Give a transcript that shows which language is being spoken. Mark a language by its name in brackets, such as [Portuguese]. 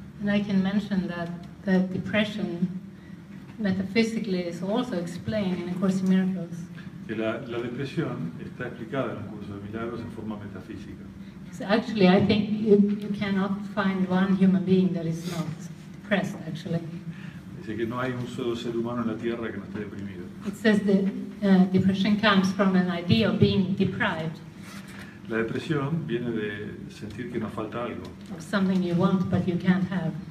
[English] And I can mention that depression metaphysically is also explained in A Course in Miracles. [Spanish] Que la depresión está explicada en un curso de milagros en forma metafísica. [English] So actually, I think you cannot find one human being that is not depressed, actually. [Spanish] Dice que no hay un solo ser humano en la Tierra que no esté deprimido. [English] It says that depression comes from an idea of being deprived. [Spanish] La depresión viene de sentir que nos falta algo. [English] Of something you want, but you can't have.